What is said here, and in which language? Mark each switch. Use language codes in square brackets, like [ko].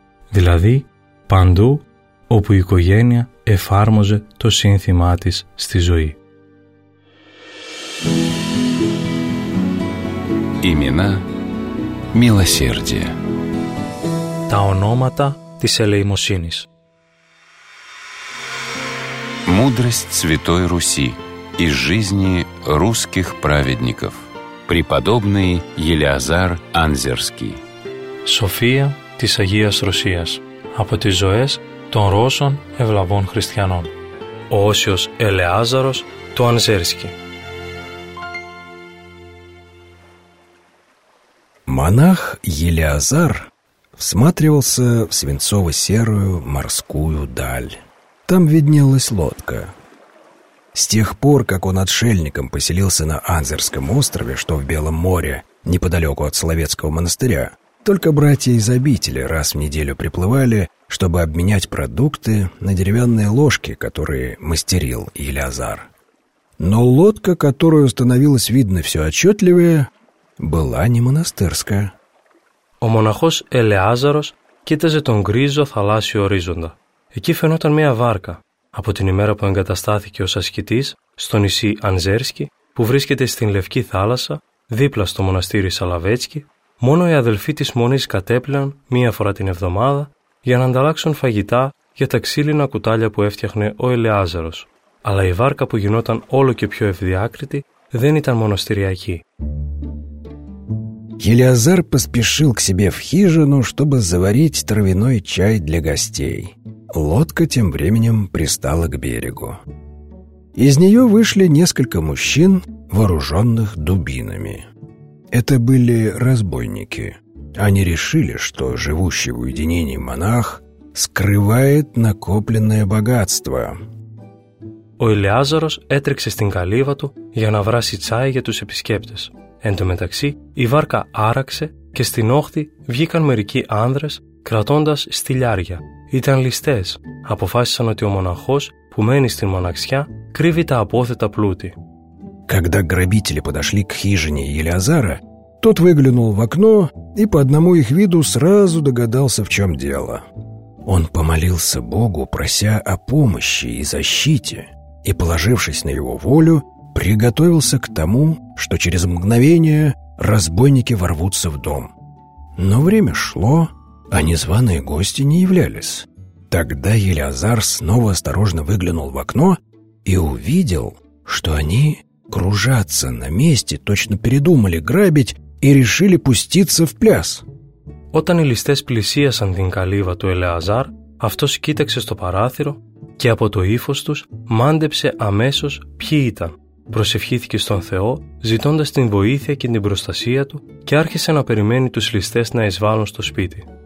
[el] Δηλαδή, παντού όπου η οικογένεια εφάρμοζε το σύνθημά της στη ζωή. [ru] Имена милосердия. [el] Τα ονόματα της ελεημοσύνης. [ru] Мудрость Святой Руси из жизни русских праведников. Преподобный Елеазар Анзерский. [el] Σοφία της Αγίας Ρωσίας από τις ζωές των Ρώσων ευλαβών χριστιανών. Ο Όσιος Ελεάζαρος του Ανζέρσκι. [ru] Монах Елеазар всматривался в свинцово-серую морскую даль. Там виднелась лодка. С тех пор, как он отшельником поселился на Анзерском острове, что в Белом море, неподалеку от Соловецкого монастыря, только братья из обители раз в неделю приплывали, чтобы обменять продукты на деревянные ложки, которые мастерил Елеазар. Но лодка, которую становилось видно все отчетливее, была не монастырская. [el] Ο μοναχός Ελεάζαρος κοίταζε τον γκρίζο θαλάσσιο ορίζοντα. Εκεί φαινόταν μια βάρκα. Από την ημέρα που εγκαταστάθηκε ως ασκητής στο νησί Ανζέρσκι, που βρίσκεται στην Λευκή Θάλασσα, δίπλα στο μοναστήρι Σαλαβέτσκι, μόνο οι αδελφοί της μονής κατέπλαιαν μία φορά την εβδομάδα για να ανταλλάξουν φαγητά για τα ξύλινα κουτάλια που έφτιαχνε ο Ελεάζαρος. Αλλά η βάρκα που γινόταν όλο και πιο ευδιάκριτη δεν ήταν μοναστηριακή. [ru] Елеазар поспешил к себе в хижину, чтобы заварить травяной чай для гостей. Лодка тем временем пристала к берегу. Из нее вышли несколько мужчин, вооруженных дубинами. Это были разбойники. Они решили, что живущий в уединении монах скрывает накопленное богатство. [el] Ο Елеάζαρος έτρεξε στην καλύβα του για να βράσει τσάι για τους επισκέπτες. Εν τω μεταξύ, η βάρκα άραξε και στην όχθη βγήκαν μερικοί άνδρες κρατώντας στυλιάρια. Ήταν ληστές. Αποφάσισαν ότι ο μοναχός που μένει στην μοναξιά κρύβει τα απόθετα πλούτη. [ru] Когда грабители подошли к хижине Елеазара, тот выглянул в окно и по одному их виду сразу догадался, в чем дело. Он помолился Богу, прося о помощи и защите, и, положившись на его волю, приготовился к тому, что через мгновение разбойники ворвутся в дом. Но время шло, а незваные гости не являлись. Тогда Елеазар снова осторожно выглянул в окно и увидел, что они кружатся на месте, точно передумали грабить и решили пуститься в пляс. [el] Όταν οι ληστές πλησίασαν την καλύβα του Ελεάζαρ, αυτός κοίταξε στο παράθυρο και από το ύφος τους μάντεψε αμέσως ποιοι ήταν. Προσευχήθηκε στον Θεό, ζητώντας την βοήθεια και την προστασία του και άρχισε να περιμένει τους ληστές να εισβάλλουν στο σπίτι.